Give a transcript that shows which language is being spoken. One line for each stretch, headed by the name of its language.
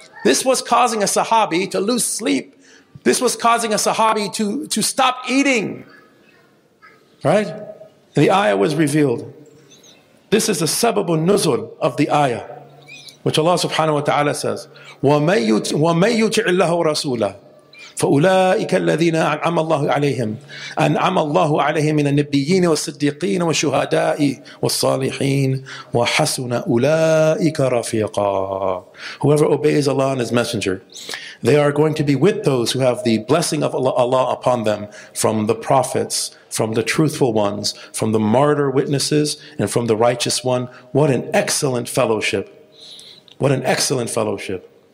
English: This was causing a Sahabi to lose sleep. This was causing a Sahabi to stop eating. Right? And the ayah was revealed. This is the sababun nuzul of the ayah, which Allah subhanahu wa ta'ala says,
Arabic: وَمَن يُطِعِ اللَّهَ وَرَسُولَهُ. فأولئك الذين أنعم الله عليهم أنعم الله عليهم من النبيين والصديقين والشهداء والصالحين وحسن أولئك رفيقا.
English: Whoever obeys Allah and His Messenger, they are going to be with those who have the blessing of Allah upon them from the prophets, from the truthful ones, from the martyr witnesses, and from the righteous one. What an excellent fellowship. What an excellent fellowship.